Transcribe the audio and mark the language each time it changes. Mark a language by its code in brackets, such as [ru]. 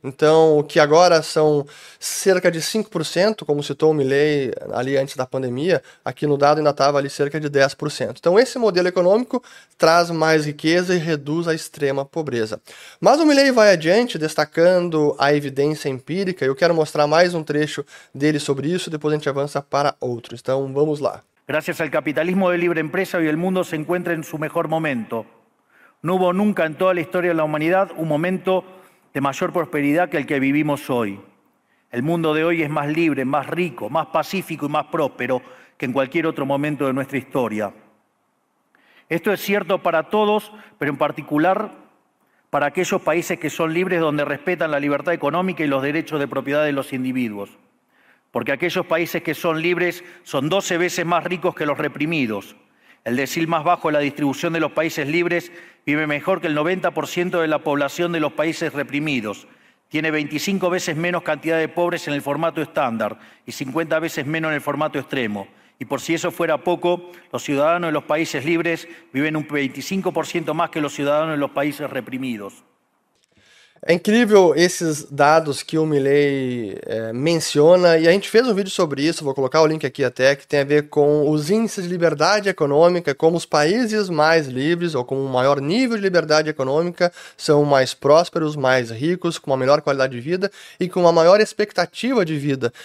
[pt] Então, o que agora são cerca de 5%, como citou o Milei ali antes da pandemia, aqui no dado ainda estava ali cerca de 10%. Então, esse modelo econômico traz mais riqueza e reduz a extrema pobreza. Mas o Milei vai adiante, destacando a evidência empírica, e eu quero mostrar mais um trecho dele sobre isso, depois a gente avança para outro. Então, vamos lá. [es] Gracias al capitalismo de libre empresa, hoy el mundo se encuentra en su mejor momento. No hubo nunca en toda la historia de la humanidad un momento de mayor prosperidad que el que vivimos hoy. El mundo de hoy es más libre, más rico, más pacífico y más próspero que en cualquier otro momento de nuestra historia. Esto es cierto para todos, pero en particular para aquellos países que son libres donde respetan la libertad económica y los derechos de propiedad de los individuos. Porque aquellos países que son libres son 12 veces más ricos que los reprimidos. El decil más bajo de la distribución de los países libres vive mejor que el 90% de la población de los países reprimidos. Tiene 25 veces menos cantidad de pobres en el formato estándar y 50 veces menos en el formato extremo. Y por si eso fuera poco, los ciudadanos de los países libres viven un 25% más que los ciudadanos de los países reprimidos. [pt] É incrível esses dados que o Milei menciona, e a gente fez um vídeo sobre isso, vou colocar o link aqui até, que tem a ver com os índices de liberdade econômica, como os países mais livres, ou com um maior nível de liberdade econômica, são mais prósperos, mais ricos, com uma melhor qualidade de vida e com uma maior expectativa de vida.